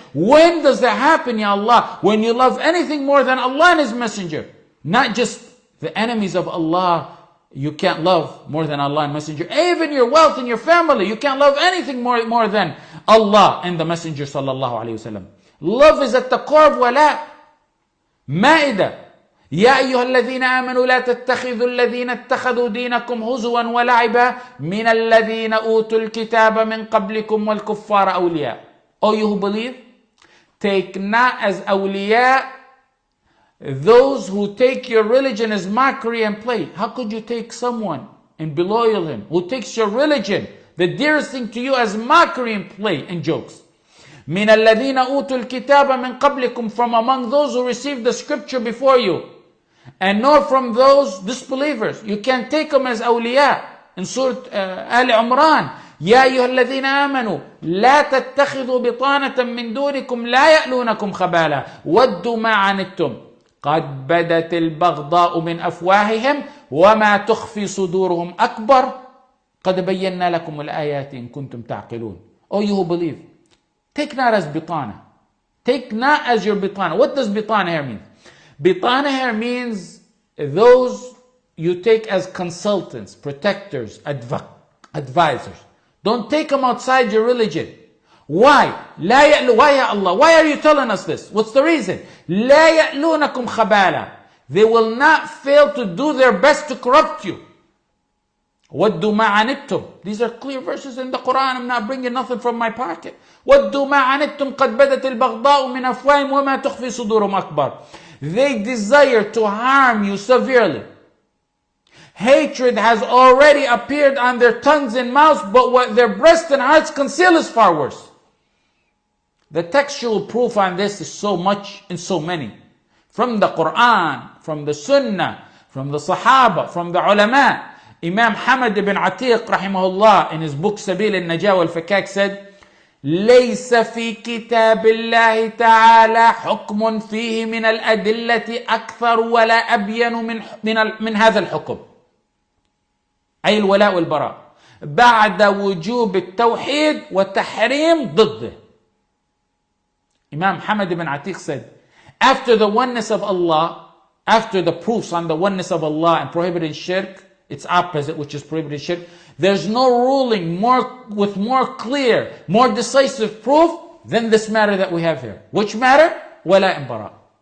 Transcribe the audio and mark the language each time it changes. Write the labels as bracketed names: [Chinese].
[English] When does that happen, Ya Allah? When you love anything more than Allah and His Messenger. Not just the enemies of Allah, you can't love more than Allah and Messenger. Even your wealth and your family, you can't love anything more than Allah and the Messenger, sallallahu alayhi wa sallam. Love is at the core of wala. Ma'ida. [Arabic] يا أيها الذين آمنوا لا تتخذوا الذين اتخذوا دينكم هزوا ولعبا من الذين أوتوا الكتاب من قبلكم والكفار أولياء. [English] Oh, you who believe, take not as awliya those who take your religion as mockery and play. How could you take someone and be loyal to him who takes your religion, the dearest thing to you, as mockery and play and jokes? [Arabic] من الذين أوتوا الكتاب من قبلكم, [English] from among those who received the scripture before you. And nor from those disbelievers. You can't take them as awliya. In Surah Ali Imran, [Arabic] يا أيها الذين آمنوا لا تتخذوا بطانة من دونكم لا يألونكم خبالا ودوا ما عنتم قد بدت البغضاء من أفواههم وما تخفي صدورهم أكبر قد بينا لكم الآيات إن كنتم تعقلون. [English] Oh, you who believe, take not as bitana. Take not as your bitana. What does bitana here mean? Bitana here means those you take as consultants, protectors, advisors. Don't take them outside your religion. Why? [Arabic] لا يألو, [English] why, Ya Allah? Why are you telling us this? What's the reason? [Arabic] لا يألونكم خبالا. [English] They will not fail to do their best to corrupt you. [Arabic] وَدُّوا مَا عَنِتُّمْ. [English] These are clear verses in the Quran. I'm not bringing nothing from my pocket. [Arabic] وَدُّوا مَا عَنِتُّمْ قَدْ بَدَتِ الْبَغْضَاءُ مِنْ أَفْوَاهِمْ وَمَا تُخْفِي صُدُورُهُمْ أَكْبَرُ. [English] They desire to harm you severely. Hatred has already appeared on their tongues and mouths, but what their breasts and hearts conceal is far worse. The textual proof on this is so much and so many. From the Quran, from the Sunnah, from the Sahaba, from the Ulama. Imam Hamad ibn Atiq, rahimahullah, in his book Sabil al-Najah wal-Fakak said, [Arabic] ليس في كتاب الله تعالى حكم فيه من الأدلة أكثر ولا أبين من هذا الحكم, أي الولاء والبراء, بعد وجوب التوحيد والتحريم ضده. [English] Imam Hamad ibn Atiq said, after the oneness of Allah, after the proofs on the oneness of Allah and prohibiting shirk, its opposite, which is prohibited shirk, there's no ruling with more clear, more decisive proof than this matter that we have here. Which matter? Wala and bara.